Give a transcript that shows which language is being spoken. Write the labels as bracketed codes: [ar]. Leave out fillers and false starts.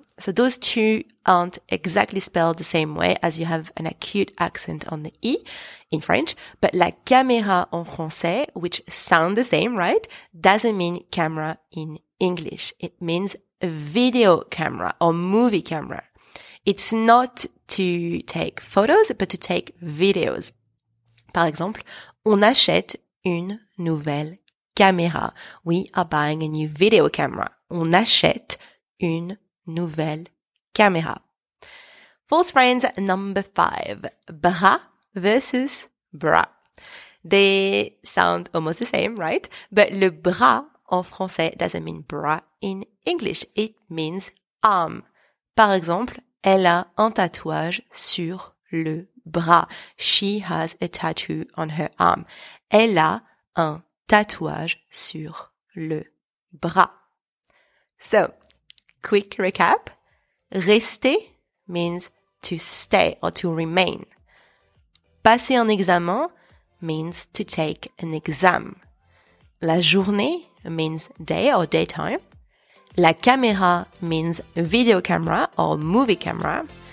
[en] So those two aren't exactly spelled the same way as you have an acute accent on the E in French, but [fr] la caméra en français, [en] which sound the same, right, doesn't mean camera in English. It means video camera or movie camera. It's not to take photos, but to take videos. [fr] Par exemple, on achète une nouvelle caméra. [en] We are buying a new video camera. [fr] On achète une nouvelle caméra. [en] False friends number five. Bra versus bra. They sound almost the same, right? But [fr] le bra en français [en] doesn't mean bra in English. It means arm. [fr] Par exemple, elle a un tatouage sur le bras. [en] She has a tattoo on her arm. [fr] Elle a un tatouage sur le bras. [en] So, quick recap. Rester means to stay or to remain. Passer un examen means to take an exam. La journée means day or daytime. La caméra means video camera or movie camera.